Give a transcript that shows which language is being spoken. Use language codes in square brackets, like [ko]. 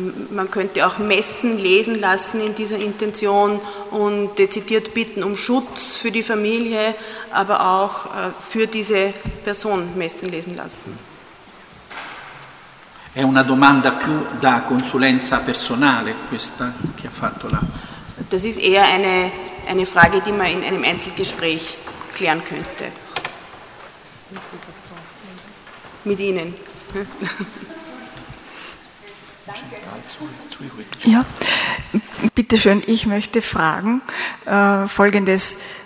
[de] Man könnte auch Messen lesen lassen in dieser Intention und dezidiert bitten um Schutz für die Familie, aber auch für diese Person Messen lesen lassen. [it] È una domanda più da consulenza personale questa che ha fatto là. [de] Das ist eher eine Frage, die man in einem Einzelgespräch klären könnte. Mit Ihnen. Ja, bitteschön, ich möchte fragen Folgendes.